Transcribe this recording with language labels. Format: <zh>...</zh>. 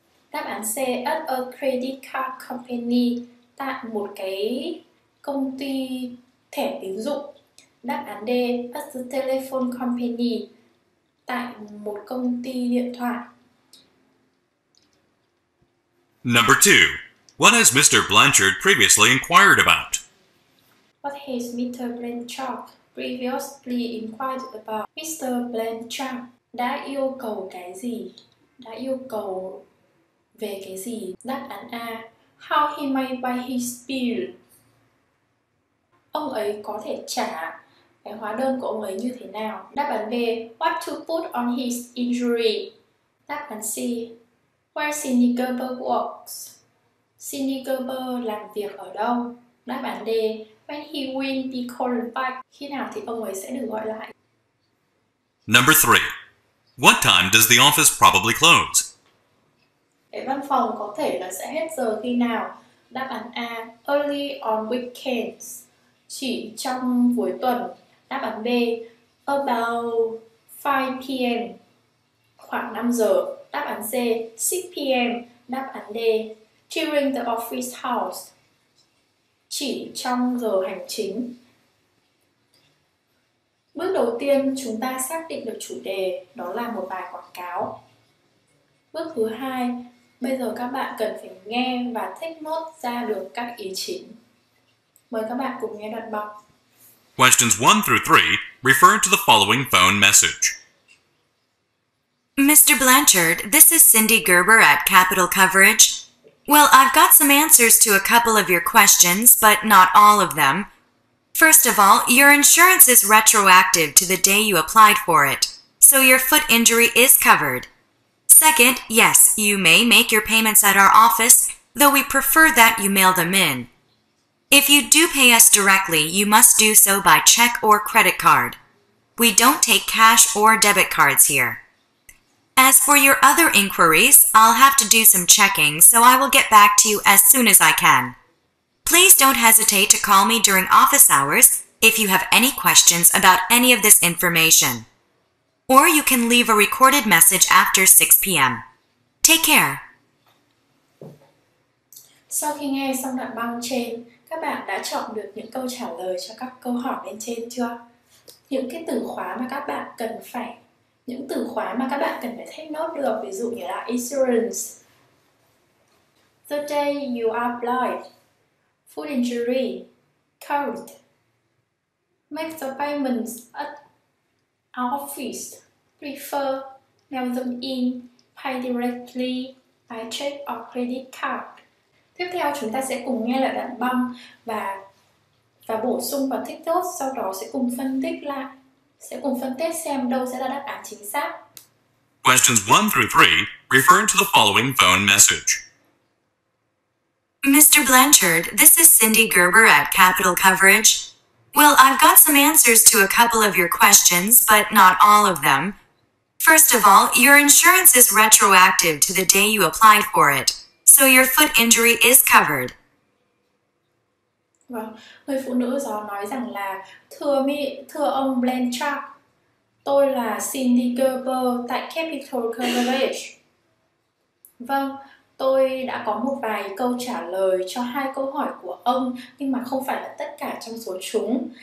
<vi>Đáp án C,</vi> <en>at a credit card company.</en> <vi>Tại một cái công ty thẻ tín dụng. Đáp án D,</vi> <en>at the telephone company,</en> <vi>tại một công ty điện thoại.</vi> <en>Number 2. What has Mr. Blanchard previously inquired about? What has Mr. Blanchard previously inquired about? Mr.</en> <vi>Blanchard đã yêu cầu cái gì? Đã yêu cầu về cái gì? Đáp án A,</vi> <en>how he might buy his bill.</en> <vi>Ông ấy có thể trả cái hóa đơn của ông ấy như thế nào? Đáp án B,</vi> <en>what to put on his injury.</en> <vi>Đáp án C,</vi> <en>where Cindy Gerber works.</en> <vi>Cindy Gerber làm việc ở đâu? Đáp án D,</vi> <en>when he will be called back.</en> <vi>Khi nào thì ông ấy sẽ được gọi lại?</vi> <en>Number 3. What time does the office probably close?</en> <vi>Cái văn phòng có thể là sẽ hết giờ khi nào? Đáp án A.</vi> <en>Early on weekends.</en> <vi>Chỉ trong cuối tuần. Đáp án B.</vi> <en>About 5 p.m.</en> <vi>Khoảng 5 giờ. Đáp án C.</vi> <en>6 p.m.</en> <vi>Đáp án D.</vi> <en>During the office hours.</en> <vi>Chỉ trong giờ hành chính. Bước đầu tiên, chúng ta xác định được chủ đề, đó là một bài quảng cáo. Bước thứ hai, bây giờ các bạn cần phải nghe và take note ra được các ý chính. Mời các bạn cùng nghe đoạn băng.</vi> <en>Questions 1 through 3 refer to the following phone message. Mr. Blanchard, this is Cindy Gerber at Capital Coverage. Well, I've got some answers to a couple of your questions, but not all of them. First of all, your insurance is retroactive to the day you applied for it, so your foot injury is covered. Second, yes, you may make your payments at our office, though we prefer that you mail them in. If you do pay us directly, you must do so by check or credit card. We don't take cash or debit cards here. As for your other inquiries, I'll have to do some checking, so I will get back to you as soon as I can. Please don't hesitate to call me during office hours if you have any questions about any of this information. Or you can leave a recorded message after 6 p.m. Take care.</en> <vi>Sau khi nghe xong đoạn băng trên, các bạn đã chọn được những câu trả lời cho các câu hỏi bên trên chưa? Những cái từ khóa mà các bạn cần phải, những từ khóa mà các bạn cần phải take note được, ví dụ như là</vi> <en>insurance, the day you apply, food injury, COVID, make the payments at our office, prefer mail them in, pay directly by check or credit card.</en> <vi>Tiếp theo chúng ta sẽ cùng nghe lại đoạn băng và bổ sung vào TikTok, sau đó sẽ cùng phân tích lại, sẽ cùng phân tích xem đâu sẽ là đáp án chính xác.</vi> <en>Questions 1 through 3 refer to the following phone message. Mr. Blanchard, this is Cindy Gerber at Capital Coverage. Well, I've got some answers to a couple of your questions, but not all of them. First of all, your insurance is retroactive to the day you applied for it, so your foot injury is covered.</en> <vi>Vâng, người phụ nữ đó nói rằng là thưa ông Blanchard, tôi là Cindy Gerber tại Capital Coverage. Vâng. Tôi đã có một vài câu trả lời cho hai câu hỏi của ông, nhưng mà không phải là tất cả trong số chúng.</vi>